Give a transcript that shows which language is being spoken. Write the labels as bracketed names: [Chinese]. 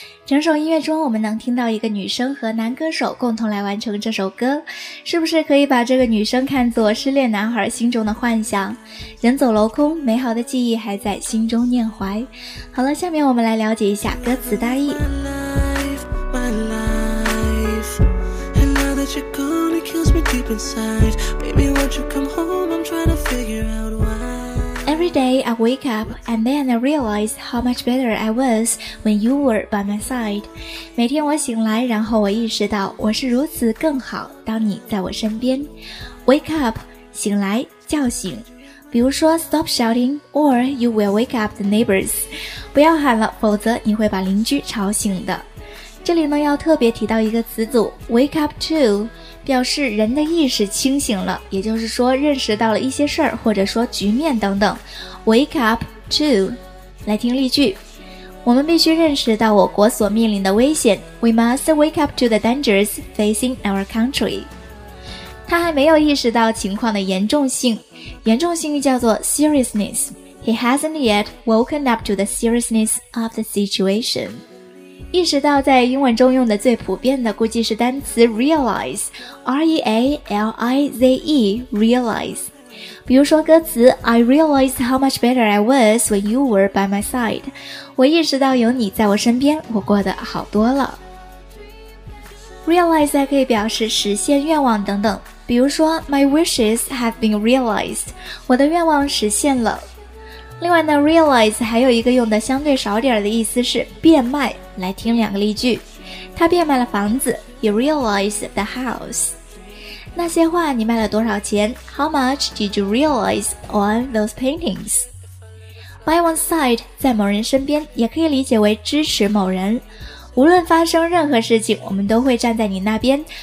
[Chinese] 整首音乐中我们能听到一个女生和男歌手共同来完成这首歌，是不是可以把这个女生看作失恋男孩心中的幻想，人走楼空，美好的记忆还在心中念怀。好了，下面我们来了解一下歌词大意。 [English] my life. And now that you're gone, it kills me deep inside. Baby, won't you come home? I'm trying to figure out why Every day I wake up and then I realize how much better I was when you were by my side. [Chinese] 每天我醒来，然后我意识到我是如此更好当你在我身边。 Wake up, 醒来，叫醒。比如说 [English] stop shouting or you will wake up the neighbors， [Chinese] 不要喊了，否则你会把邻居吵醒的。这里呢要特别提到一个词组 wake up to，表示人的意识清醒了，也就是说认识到了一些事儿，或者说局面等等。 Wake up to， 来听例句。我们必须认识到我国所面临的危险。 [English] We must wake up to the dangers facing our country。 [Chinese] 他还没有意识到情况的严重性，严重性叫做 seriousness。 [English] He hasn't yet woken up to the seriousness of the situation。 [Chinese] 意识到在英文中用的最普遍的估计是单词 realize， R-E-A-L-I-Z-E， realize。比如说歌词 [English] I realized how much better I was when you were by my side， [Chinese] 我意识到有你在我身边我过得好多了。 realize 还可以表示实现愿望等等，比如说 [English] my wishes have been realized， [Chinese] 我的愿望实现了。另外呢 realize 还有一个用的相对少点的意思是变卖。来听两个例句。他变卖了房子， [English] He realized the house。 [Chinese] 那些画你卖了多少钱？ [English] How much did you realize on those paintings? [Chinese] By one side， 在某人身边，也可以理解为支持某人。无论发生任何事情，我们都会站在你那边。